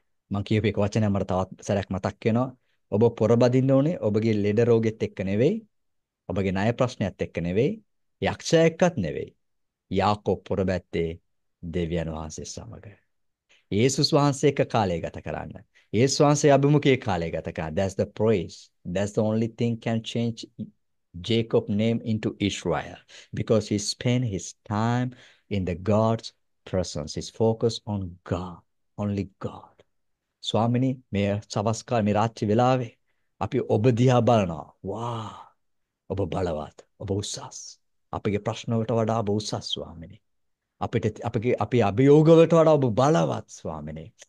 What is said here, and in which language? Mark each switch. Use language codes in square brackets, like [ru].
[si] මම කියපු එක වචනය මට තවත් සැරයක් මතක් වෙනවා. ඔබ පොරබදින්න ඕනේ ඔබගේ ලෙඩ රෝගෙත් එක්ක නෙවෙයි, ඔබගේ ණය ප්‍රශ්නයත් එක්ක නෙවෙයි, යක්ෂයා එක්කත් නෙවෙයි. යාකොබ් පොරබැත්තේ දෙවියන් වහන්සේ සමග. යේසුස් වහන්සේ එක්ක කාලය ගත කරන්න. යේසුස් වහන්සේ අභිමුඛයේ කාලය ගත කරන්න. [en] That's the praise. That's the only thing can change Jacob name into Israel because he spent his time in the God's presence. His focus on God, only God. [si] Swamini, මේ සවස්කාල මේ රාත්‍රි වෙලාවේ අපි ඔබ දිහා බලනවා. වා! ඔබ බලවත්, ඔබ උසස්. අපගේ ප්‍රශ්නවලට වඩා ඔබ උසස් ස්වාමිනේ. අපිට අපගේ අපේ අභියෝගවලට වඩා ඔබ බලවත් ස්වාමිනේ.